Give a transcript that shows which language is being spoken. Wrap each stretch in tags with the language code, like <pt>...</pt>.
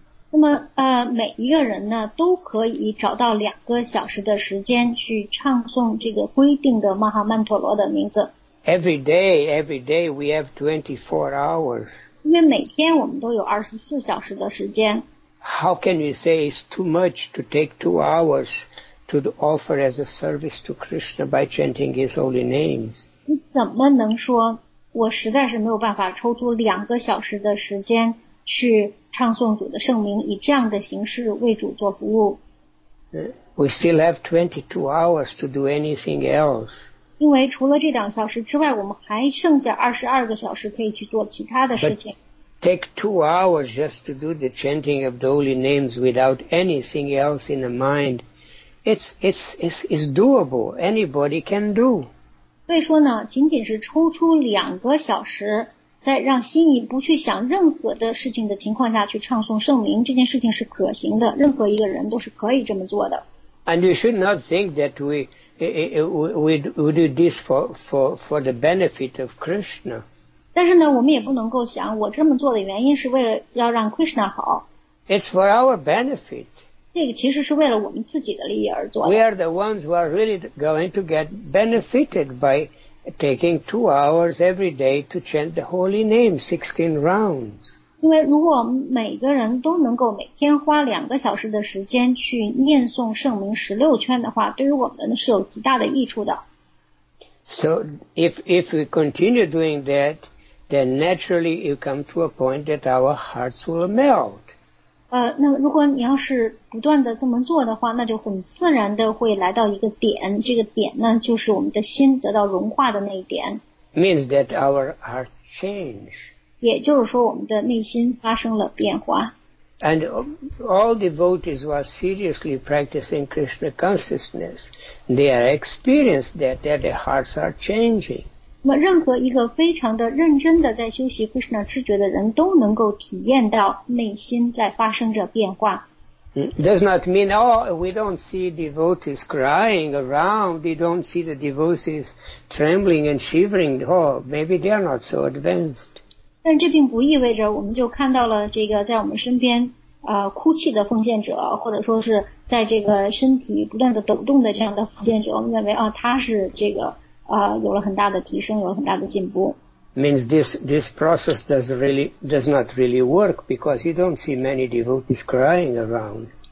<zh>那么每一个人呢都可以找到2个小时的时间去唱诵这个规定的玛哈曼陀罗的名字。</zh> <en>Every day we have 24 hours.</en> <zh>因为每天我们都有24小时的时间。</zh> <en>How can you say it's too much to take 2 hours to offer as a service to Krishna by chanting his holy names?</en> <zh>你怎么能说我实在是没有办法抽出2个小时的时间去唱诵主的圣名，以这样的形式为主做服务。</zh> <en>We still have 22 hours to do anything else.</en> <zh>因为除了这2小时之外，我们还剩下22个小时可以去做其他的事情。</zh> <en>But take 2 hours just to do the chanting of the holy names without anything else in the mind. It's doable. Anybody can do.</en> <zh>所以说呢，仅仅是抽出2个小时。在让心意不去想任何的事情的情况下去唱诵圣名，这件事情是可行的，任何一个人都是可以这么做的。</zh> <en>And you should not think that we do this for the benefit of Krishna.</en> <zh>但是呢，我们也不能够想我这么做的原因是为了要让 Krishna 好。</zh> <en>It's for our benefit.</en> <zh>这个其实是为了我们自己的利益而做的。</zh> <en>We are the ones who are really going to get benefited by. Taking 2 hours every day to chant the holy name 16 rounds.</en> <zh>因为如果每个人都能够每天花2个小时的时间去念诵圣名16圈的话，对于我们是有极大的益处的。</zh> <en>So if we continue doing that, then naturally you come to a point that our hearts will melt.</en> <zh>那如果你要是不断的这么做的话，那就很自然的会来到一个点，这个点呢就是我们的心得到融化的那一点。</zh> <en>Means that our heart change.</en> <zh>也就是说我们的内心发生了变化。</zh> <en>And all devotees who are seriously practicing Krishna consciousness, they are experienced that their hearts are changing.</en> <zh>那么任何一个非常的认真的在修习 Krishna 知觉的人都能够体验到内心在发生着变化。</zh> <en>Does not mean, oh, we don't see devotees crying around, we don't see the devotees trembling and shivering, oh, maybe they are not so advanced.</en> <zh>但这并不意味着我们就看到了这个在我们身边哭泣的奉献者，或者说是在这个身体不断的抖动的这样的奉献者，我们认为他是这个有了很大的提升，有了很大的进步。</zh> <en>Means this process does not really work because you don't see many devotees crying around.</en>